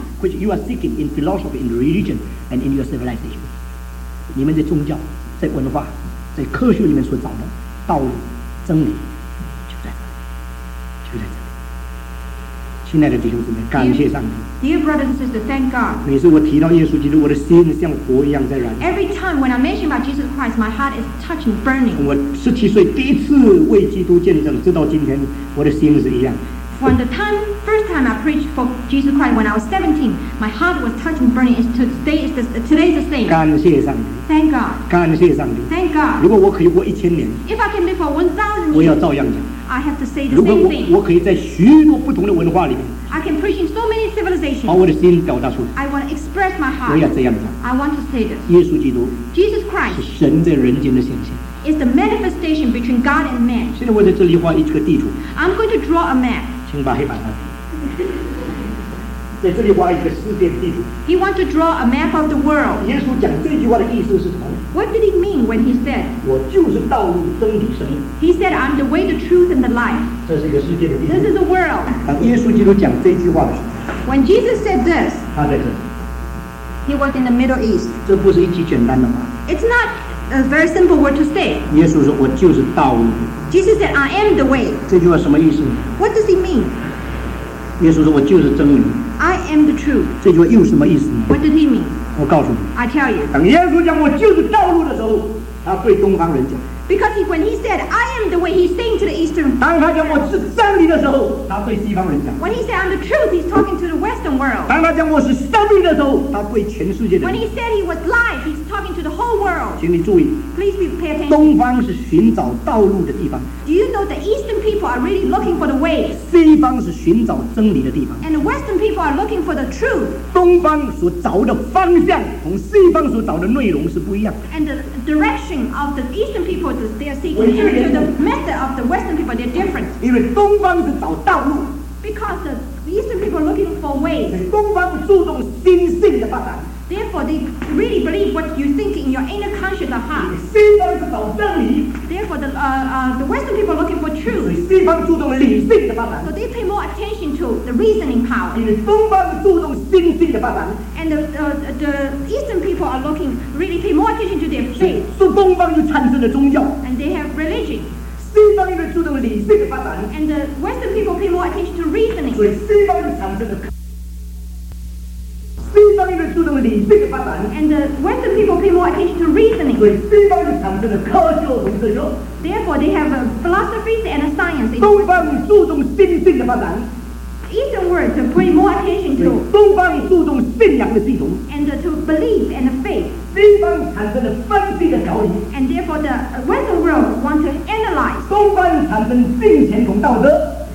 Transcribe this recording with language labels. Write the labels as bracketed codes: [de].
[en] Which you are seeking in philosophy, in religion, and in your civilization. [zh] 你们在宗教, 在文化, 在科学里面所找的, 道路, 真理, 就在这里。亲爱的弟兄姊妹, 感谢上帝。 [en] Dear brothers and sisters, thank God. [zh] 每次我提到耶稣基督, 我的心像火一样在燃烧。 [en] Every time when I mention about Jesus Christ, my heart is touching, burning. [zh] 我17岁第一次为基督见证, 直到今天, 我的心是一样。 [en] From the time, first time I preached for Jesus Christ when I was 17, my heart was touched and burning. Today is the same. [zh] 感谢上帝。 [en] Thank God. [zh] 感谢上帝。 [en] Thank God. [zh] 如果我可以活1000年, [en] if I can live for 1000 years, [zh] 我要照样讲。 [en] I have to say the same thing. [zh] 如果我可以在许多不同的文化里面, [en] I can preach in so many civilizations, [zh] 把我的心表达出来。 [en] I want to express my heart. [zh] 我要这样讲。 [en] I want to say this. [zh] 耶稣基督, [en] Jesus Christ, [zh] 是神在人间的显现。 [en] Is the manifestation between God and man. [zh] 现在我在这里画一个地图。 [en] I'm going to draw a map. [zh] 请把黑板上。在这里画一个世界地图。 [en] He wants to draw a map of the world. [zh] 耶稣讲这句话的意思是什么？ [en] What did he mean when he said? [zh] 我就是道路、真理、生命。 [en] He said, I'm the way, the truth, and the life. [zh] 这是一个世界的地图。 [en] This is the world. [zh] 当耶稣基督讲这句话的时候， [en] When Jesus said this, [zh] 他在这里。 [en] He was in the Middle East. [zh] 这不是一句简单的话。 [en] It's not a very simple word to say. [zh] 耶稣说，我就是道路。 [en] Jesus said, I am the way. [zh] 这句话什么意思? [en] What does he mean? [zh] 耶稣说我就是真理。 [en] I am the truth. [zh] 这句话又什么意思? [en] What does he mean? [zh] 我告诉你。 [en] I tell you. [zh] 当耶稣讲我就是道路的时候，他对东方人讲。 [en] Because when he said, I am the way, he's saying to the Eastern [zh] 当他讲我是真理的时候，他对西方人讲。 [en] When he said, I'm the truth, he's talking to the Western world. [zh] 当他讲我是生命的时候，他对全世界的。 [en] When he said he was life, he's talking to the whole world. [zh] 请你注意。 [en] Please pay attention. [zh] 东方是寻找道路的地方。 [en] Do you know the Eastern people are really looking for the way? [zh] 方是寻找真理的地方。 [en] And the Western people are looking for the truth. [zh] 东方所找的方向同西方所找的内容是不一样的。 [en] And the direction of the Eastern people that they are seeking to the method of the Western people, they're different. [zh] 因为东方是找道路。 [en] Because the Eastern people are looking for ways. [zh] 东方注重心性的发展。 [en] Therefore, they really believe what you think in your inner conscience of heart. [zh] 西方是找真理。 [en] Therefore, the Western people are looking for truth. [zh] 西方注重理性的发展。 [en] So they pay more attention to the reasoning power. [zh] 东方注重心性的发展。 [en] And the Eastern people are looking, really pay more attention to their faith. [zh] 是东方就产生了宗教。 [en] And they have religion. [zh] 西方人注重理性的发展。 [en] And the Western people pay more attention to reasoning. [zh] 所以西方人产生了。西方人注重理性的发展。 [en] And the Western people pay more attention to reasoning. [zh] 所以西方人产生了科学和哲学。 [en] Therefore, they have a philosophy and a science. [zh] 东方人注重心性的发展。 [en] Eastern world to pay more attention to. [zh] 东方人注重信仰的系统。 [en] And to believe and faith. [zh] 西方产生了分析的条理。 [en] And therefore, the Western world want to analyze. [zh] 东方人产生金钱同道德。